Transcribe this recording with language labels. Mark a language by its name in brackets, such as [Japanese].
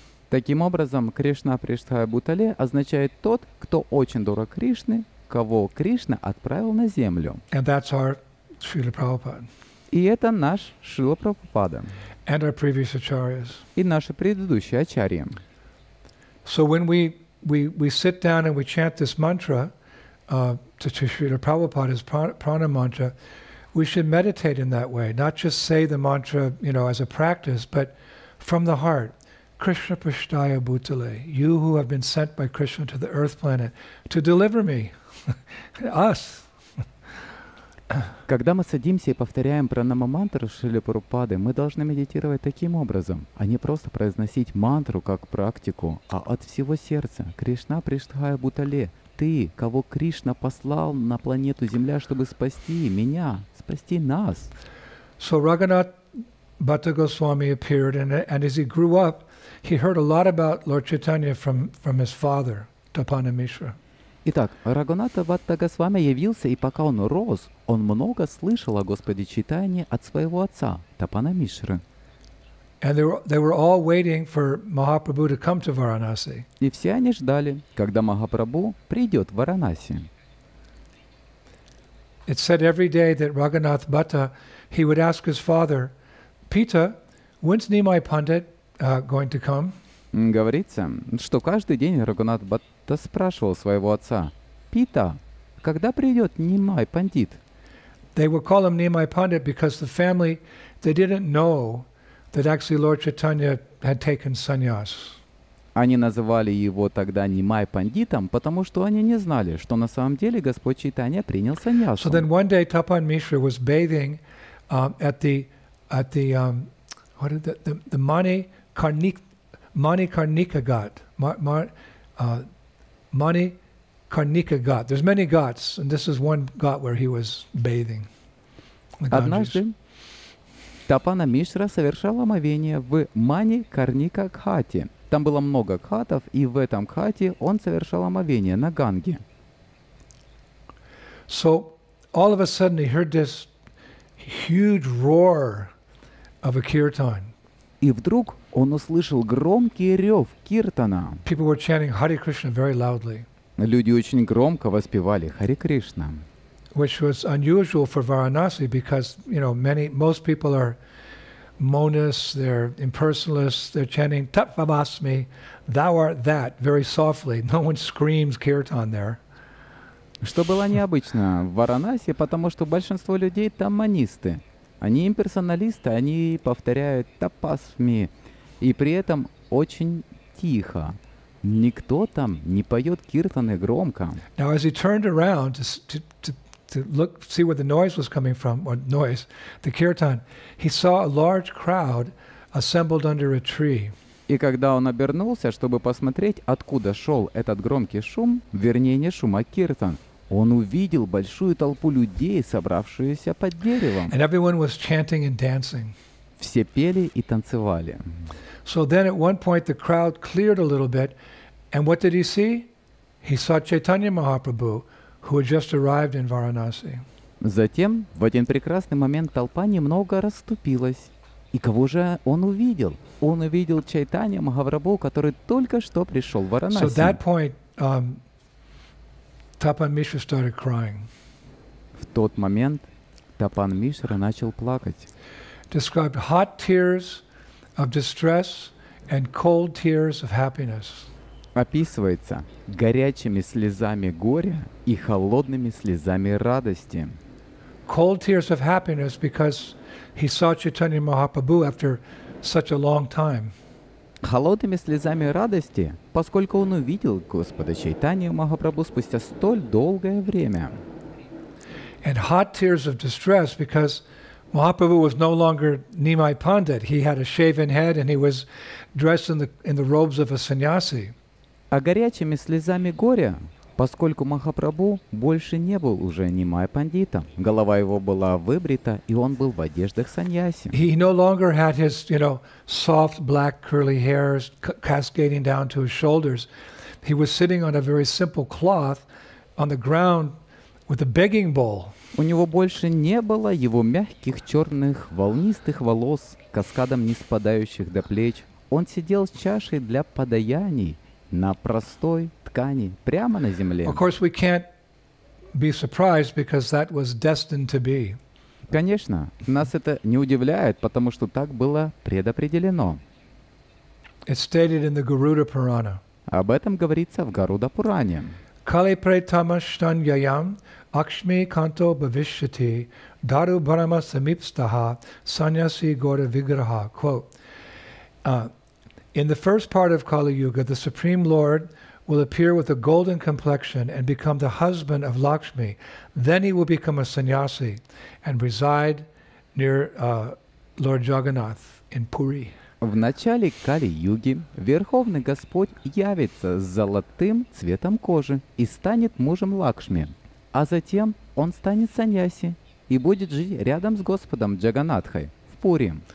[Russian] Таким образом, [Sanskrit] Кришна Пришхая Бутале [Russian] означает тот, кто очень дорог Кришне, кого Кришна отправил на землю. [English] And that's our Srila Prabhupada. [Russian] И это наш Шрила Прабхупада. [English] And our previous acharyas. [Russian] И наши предыдущие ачарьи. [English] So when we sit down and we chant this mantra, to Srila Prabhupada's prana mantra, we should meditate in that way, not just say the mantra, you know, as a practice, but from the heart. [Sanskrit] Krishna Pushtaya Bhutale, [English] you who have been sent by Krishna to the earth planet to deliver me, us. [Russian] Когда мы садимся и повторяем пранама-мантру Шрилы Прабхупады, мы должны медитировать таким образом, а не просто произносить мантру как практику, а от всего сердца. [Sanskrit] Кришна Пришхая Бутале, [Russian] ты, кого Кришна послал на планету Земля, чтобы спасти меня, спасти нас. [English] So Raghunath Bhatta Goswami appeared, and as he grew up, he heard a lot about Lord Chaitanya from his father, Tapana Mishra. [Russian] Итак, Рагхунат Бхатта Госвами явился, и пока он рос, он много слышал о Господе Чайтанье от своего отца, Тапана Мишры. [English] And they were all waiting for Mahaprabhu to come to Varanasi. [Russian] И все они ждали, когда Махапрабху придет в Варанаси. [English] It said every day that Raghunath Bhatta, he would ask his father, Pita, when's Nimai Pandit going to come? [Russian] Говорится, что каждый день Рагхунат Бхатта спрашивал своего отца, «Пита, когда придет Нимай Пандит?» [English] They would call him Nimai Pandit because the family, they didn't know that actually Lord Chaitanya had taken sannyas. [Russian] Они называли его тогда Нимай Пандитом, потому что они не знали, что на самом деле Господь Чайтанья принял саньясу. [English] So then one day Tapan Mishra was bathing at the Mani Karnika Ghat. There's many ghats, and this is one ghat where he was bathing. [Russian] Однажды Тапана Мишра совершал омовение в Мани Карника Ghate. Там было много ghatов, и в этом ghate он совершал омовение на Ганге. [English] So all of a sudden he heard this huge roar of a kirtan. [Russian] И вдруг он услышал громкий рев киртана. [English] People were chanting Hare Krishna very loudly. [Russian] Люди очень громко воспевали Харе Кришна. [English] Which was unusual for Varanasi because, you know, most people are monists, they're impersonalists, they're chanting Tatvamasmi, thou art that, very softly. No one screams kirtan there. [Russian] Что было необычно в Варанаси, потому что большинство людей там монисты. Они имперсоналисты, они повторяют тапасми, и при этом очень тихо. Никто там не поет киртаны громко. [English] Now, as he turned around to look, see where the noise was coming from, or noise, the kirtan, he saw a large crowd assembled under a tree. [Russian] И когда он обернулся, чтобы посмотреть, откуда шел этот громкий шум, вернее, не шум, а киртан, он увидел большую толпу людей, собравшуюся под деревом. [English] And everyone was chanting and dancing. [Russian] Все пели и танцевали. [English] So then at one point the crowd cleared a little bit, and what did he see? He saw Chaitanya Mahaprabhu, who had just arrived in Varanasi. [Russian] Затем, в один прекрасный момент, толпа немного расступилась, И кого же он увидел? Он увидел Чайтанья Махапрабху, который только что пришел в Варанаси. [English] So at that point, Тапан Мишра started crying. [Russian] В тот момент Тапан Мишра начал плакать. [English] Described hot tears of distress and cold tears of happiness. [Russian] Описывается горячими слезами горя и холодными слезами радости. [English] Cold tears of happiness because he saw Chaitanya Mahaprabhu after such a long time. [Russian] Холодными слезами радости, поскольку он увидел Господа Чайтанью Махапрабху спустя столь долгое время. [English] And hot tears of distress because Mahaprabhu was no longer Nimai Pandit. He had a shaven head and he was dressed in the robes of a sannyasi. [Russian] А горячими слезами горя, поскольку Махапрабху больше не был уже Нимай Пандитом. Голова его была выбрита, и он был в одеждах саньяси. [English] He no longer had his, you know, soft black curly hairs cascading down to his shoulders. He was sitting on a very simple cloth on the ground with a begging bowl. [Russian] У него больше не было его мягких черных волнистых волос, каскадом не спадающих до плеч. Он сидел с чашей для подаяний на простой ткани, прямо на земле. [English] Of course, we can't be surprised because that was destined to be. [Russian] Конечно, нас это не удивляет, потому что так было предопределено. [English] It's stated in the Garuda Purana. [Russian] Об этом говорится в Гаруда Пуране. [Sanskrit] Kali pratamashtan yayam akshmi kanto bhavishyati daru brahma samipstaha sanyasi gora vigraha. [English] Quote, in the first part of Kali Yuga, the Supreme Lord will appear with a golden complexion and become the husband of Lakshmi. Then he will become a sannyasi and reside near Lord Jagannath in Puri. [Russian] В начале Кали-юги Верховный Господь явится с золотым цветом кожи и станет мужем Лакшми, а затем он станет саньяси и будет жить рядом с Господом Джаганатхой в Пури.